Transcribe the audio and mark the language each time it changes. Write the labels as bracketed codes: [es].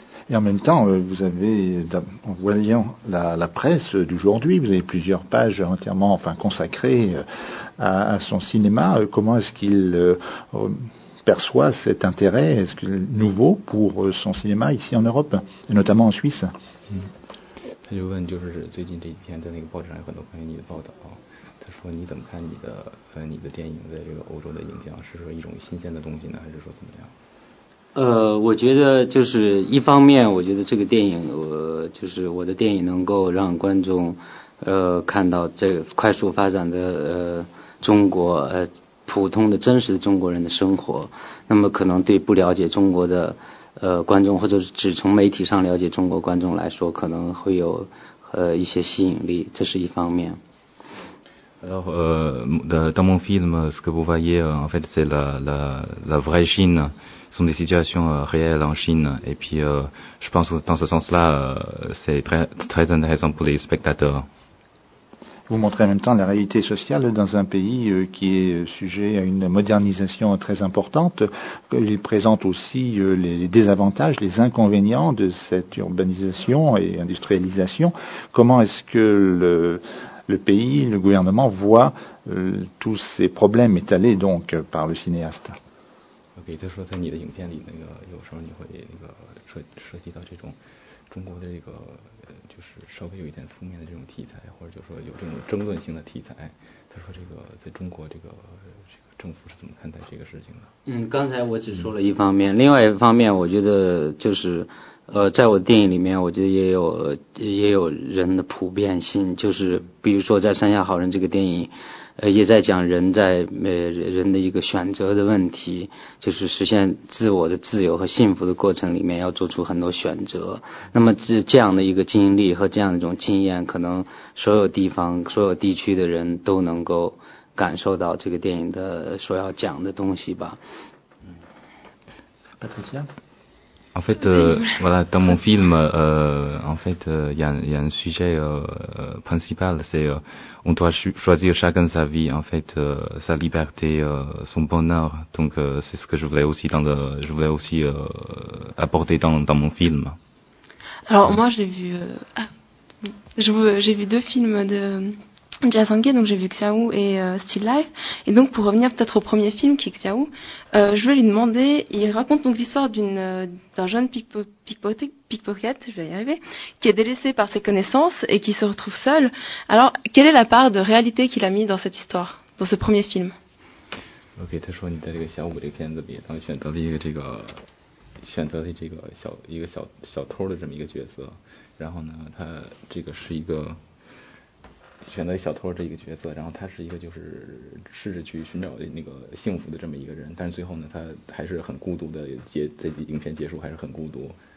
[fr] Et en même temps, vous avez, en voyant la presse d'aujourd'hui, vous avez plusieurs pages entièrement enfin, consacrées à son cinéma. Comment est-ce qu'il... perçoit cet intérêt nouveau pour son cinéma ici en Europe et notamment en Suisse. [zh] 他就问，就是最近这几天在那个报纸上有很多关于你的报道。他说，你怎么看你的电影在这个欧洲的影响？是说一种新鲜的东西呢，还是说怎么样？我觉得就是一方面，我觉得这个电影，就是我的电影能够让观众，看到这快速发展的中国，普通的真实的中国人的生活，那么可能对不了解中国的观众，或者是只从媒体上了解中国观众来说，可能会有一些吸引力，这是一方面。 [fr] Alors, dans mon film, ce que vous voyez, en fait, c'est la vraie Chine. Ce sont des situations réelles en Chine. Et puis, je pense que dans ce sens-là, c'est très très intéressant pour les spectateurs. Vous montrez en même temps la réalité sociale dans un pays qui est sujet à une modernisation très importante. Il présente aussi les désavantages, les inconvénients de cette urbanisation et industrialisation. Comment est-ce que le pays, le gouvernement voit tous ces problèmes étalés donc par le cinéaste ? Ok, il dit que dans votre film, il y a quelque chose qui va se passer dans [zh] 中国的这个就是稍微有一点负面的这种题材，或者就是说有这种争论性的题材，他说这个在中国这个政府是怎么看待这个事情的？刚才我只说了一方面，另外一方面我觉得就是在我的电影里面，我觉得也有人的普遍性，就是比如说在《三峡好人》这个电影，也在讲人在人的一个选择的问题，就是实现自我的自由和幸福的过程里面要做出很多选择。那么这样的一个经历和这样的一种经验，可能所有地方所有地区的人都能够感受到这个电影的所要讲的东西吧。 [fr] Patricia。 En fait, voilà, dans mon film, en fait, il y a un sujet principal, c'est on doit choisir chacun sa vie, en fait, sa liberté, son bonheur. Donc, c'est ce que je voulais aussi apporter dans mon film. Alors, moi, j'ai vu deux films de Jasangue, donc j'ai vu Xiaowu et Still Life. Et donc, pour revenir peut-être au premier film qui est Xiaowu, je voulais lui demander, il raconte donc l'histoire d'un jeune pickpocket, je vais y arriver, qui est délaissé par ses connaissances et qui se retrouve seul. Alors, quelle est la part de réalité qu'il a mis dans cette histoire, dans ce premier film ? [zh] OK, 他说你在这个小五这个片子里，当选择了一个这个选择的这个小一个小小偷的这么一个角色，然后呢，他这个是一个选择小偷这一个角色，然后他是一个就是试着去寻找那个幸福的这么一个人，但是最后呢，他还是很孤独的，在影片结束还是很孤独。